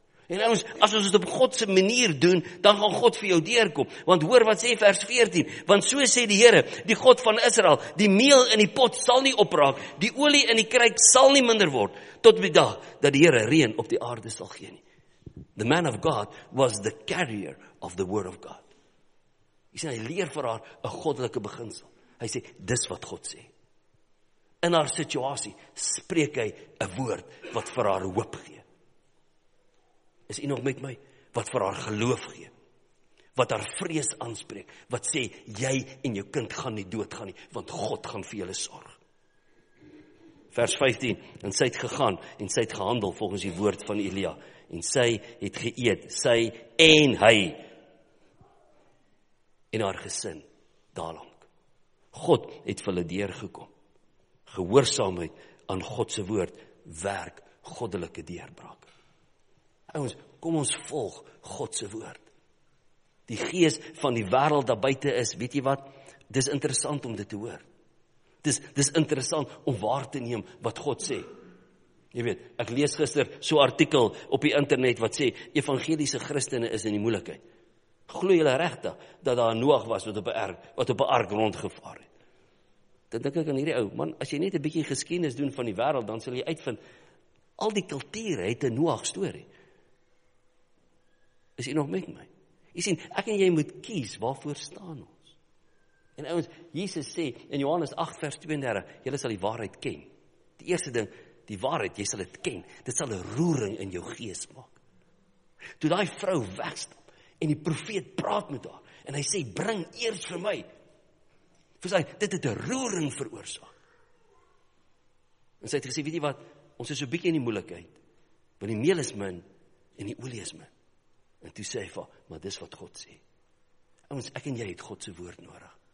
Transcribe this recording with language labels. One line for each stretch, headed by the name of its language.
Afrikaans: En ons, as ons het op Godse manier doen, dan gaan God vir jou deurkom. Want hoor wat sê vers 14, want so sê die Here, die God van Israel, die meel in die pot sal nie opraak, die olie in die kruik sal nie minder word, tot die dag dat die Here reën op die aarde sal gee nie.
English: The man of God was the carrier of the word of God.
Afrikaans: Hy sê, hy leer vir haar een goddelike beginsel. Hy sê, dis wat God sê. In haar situasie spreek hy een woord wat vir haar hoop gee. Is u nog met my, wat vir haar geloof gee, wat haar vrees aanspreek, wat sê, jy en jou kind gaan nie dood gaan nie, want God gaan vir julle sorg. Vers 15, en sy het gegaan, en sy het gehandel volgens die woord van Elia, en sy het geëet, sy en hy, en haar gesin, daarlang. God het vir hulle deurgekom, gehoorsaamheid aan Godse woord, werk goddelike deurbraak. Ons, kom ons volg Godse woord. Die gees van die wereld daar buiten is, weet jy wat? Dis interessant om dit te hoor. Dis interessant om waar te neem wat God sê. Jy weet, ek lees gister so artikel op die internet wat sê, evangeliese christene is in die moeilikheid. Glo julle regte dat daar Noag was wat op een ark rondgevaar het. Dan denk ek aan hierdie ou, man, as jy net een bietjie geskiedenis doen van die wereld, dan sal jy uitvind, al die kulture het een Noag story. Is jy nog met my? Jy sien, ek en jy moet kies waarvoor staan ons. En ons, Jesus sê in Johannes 8 vers 32, jylle sal die waarheid ken. Die eerste ding, die waarheid, jy sal het ken. Dit sal een roering in jou gees maak. Toe die vrou wegstap, en die profeet praat met haar, en hy sê, bring eers vir my. Versaai, dit het een roering veroorsaak. En sy het gesê, weet jy wat, ons is so bietjie in die moeilikheid, want die meel is min, en die olie is min. En toe sê hy van, maar dis wat God sê. Ons, ek en jy het Godse woord nodig.